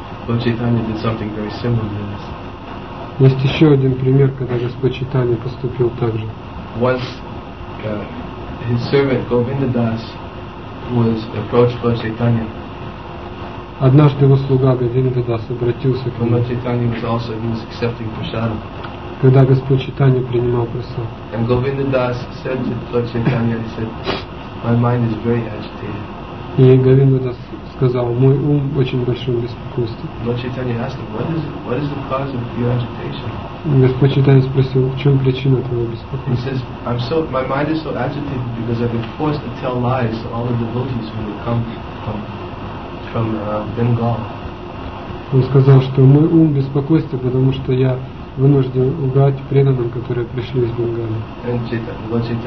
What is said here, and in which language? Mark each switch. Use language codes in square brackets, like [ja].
[en] Lord Chaitanya did something very similar to this. [ru] Есть еще один пример, когда Господь Чайтанья поступил так же. [en] Once his servant Govindadas was approached by Chaitanya. [ru] Однажды его слуга Говиндадас обратился к нему. [en] Chaitanya was also, he was accepting prasadam. [ru] Когда Господь Чайтанья принимал прасад. [en] And Govindadas said to Lord Chaitanya, he said, my mind is very agitated. [ru] И Говиндадас сказал, мой ум очень большое беспокойство. [en] Lord Chaitanya asked him, what is the cause of your agitation? [ru] Господь Чайтанья спросил, в чем причина твоего беспокойства? [en] He says, my mind is so agitated because I've been forced to tell lies to all the devotees who will come from Bengal. [ru] Он сказал, что мой ум беспокоится, потому что я вынужден лгать преданным, которые пришли из Бенгали.